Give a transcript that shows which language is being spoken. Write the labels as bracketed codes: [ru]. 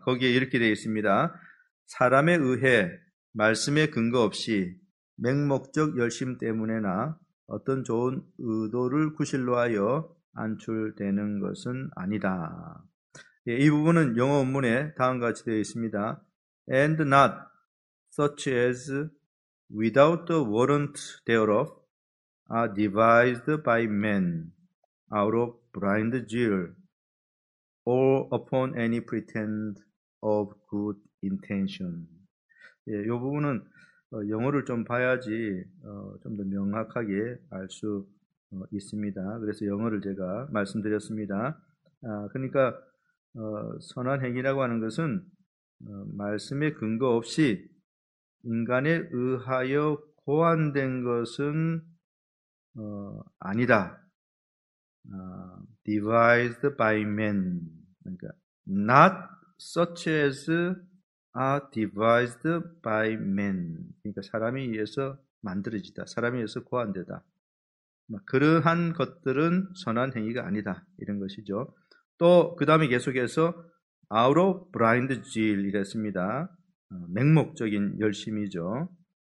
[ko] 거기에 이렇게 되어 있습니다. 사람에 의해 말씀에 근거 없이 맹목적 열심 때문에나 어떤 좋은 의도를 구실로 하여 안출되는 것은 아니다. 예, 이 부분은 영어 원문에 다음과 같이 되어 있습니다. [en] And not such as without the warrant thereof are devised by men out of blind zeal or upon any pretend of good intention. [ko] 예, 이 부분은 영어를 좀 봐야지 좀 더 명확하게 알 수 있습니다. 그래서 영어를 제가 말씀드렸습니다. 그러니까 선한 행위라고 하는 것은 말씀에 근거 없이 인간에 의하여 고안된 것은 아니다. [en] Devised by men. [ko] 그러니까 [en] not such as are devised by men. [ko] 그러니까 사람이 위해서 만들어지다. 사람이 위해서 고안되다. 그러한 것들은 선한 행위가 아니다. 이런 것이죠. 또 그 다음에 계속해서 [en] out of blind zeal [ko] 이랬습니다. 맹목적인 열심이죠.